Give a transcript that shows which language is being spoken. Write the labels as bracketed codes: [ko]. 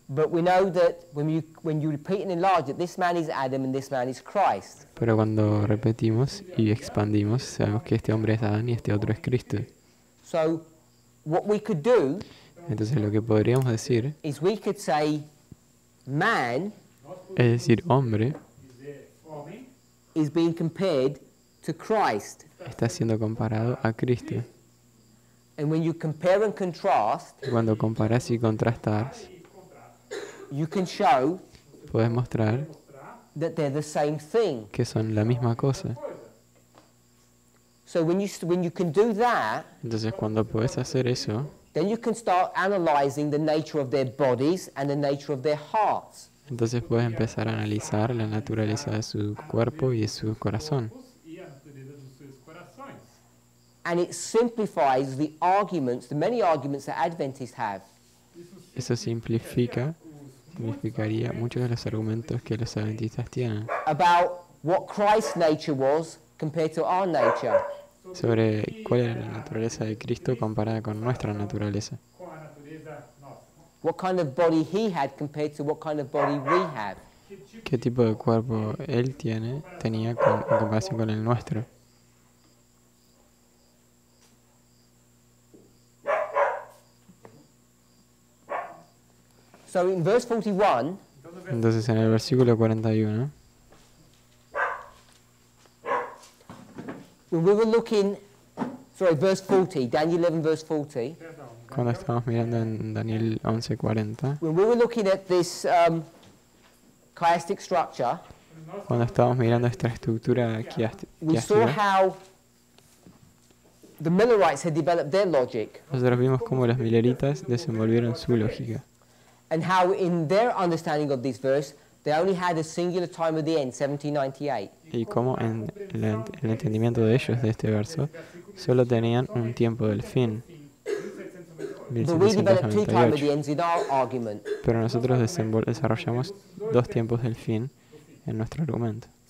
[en] But we know that when you repeat and enlarge it, this man is Adam and this man is Christ. [es] Pero cuando repetimos y expandimos, sabemos que este hombre es Adán y este otro es Cristo. [en] So, what we could do, [es] entonces lo que podríamos decir, [en] is we could say man, [es] es decir, hombre, [en] is being compared to Christ. [es] Está siendo comparado a Cristo. [en] And when you compare and contrast, [es] cuando comparas y contrastas, [en] you can show, [es] puedes mostrar, [en] that they're the same thing, [es] que son la misma cosa. [en] So when you can do that, [es] entonces cuando puedes hacer eso, [en] then you can start analyzing the nature of their bodies and the nature of their hearts. [es] Entonces puedes empezar a analizar la naturaleza de su cuerpo y de su corazón. [en] And it simplifies the arguments, the many arguments that Adventists have. [es] Eso simplificaría muchos de los argumentos que los adventistas tienen. [en] About what Christ's nature was compared to our nature. [es] Sobre cuál era la naturaleza de Cristo comparada con nuestra naturaleza. [en] What kind of body he had compared to what kind of body we have. [es] ¿Qué tipo de cuerpo él tenía en comparación con el nuestro? [en] So in verse 41, [es] entonces en el versículo 41, [en] when we were looking, verse 40, Daniel 11, verse 40. [es] Cuando estábamos mirando en Daniel 11, 40. [en] When we were looking at this chiastic structure. [es] Cuando estábamos mirando esta estructura chiástica. [en] We saw how the Millerites had developed their logic. [es] Nosotros vimos cómo los Milleritas desenvolvieron su lógica. [en] And how in their understanding of this verse, they only had a singular time at the end, 1798. [es] Y como en el entendimiento de ellos de este verso, solo tenían un tiempo del fin. Pero nosotros desarrollamos dos tiempos del fin en nuestro argumento.